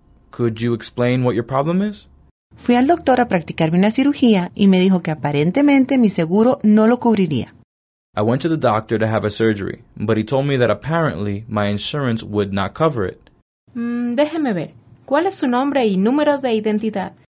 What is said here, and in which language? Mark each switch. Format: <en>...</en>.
<en>Could you explain what your problem is?</en> <es>Fui al doctor a practicarme una cirugía y me dijo que aparentemente mi seguro no lo cubriría.</es> <en>I went to the doctor to have a surgery, but he told me that apparently my insurance would not cover it.</en> <es>Déjeme ver. ¿Cuál es su nombre y número de identidad?</es>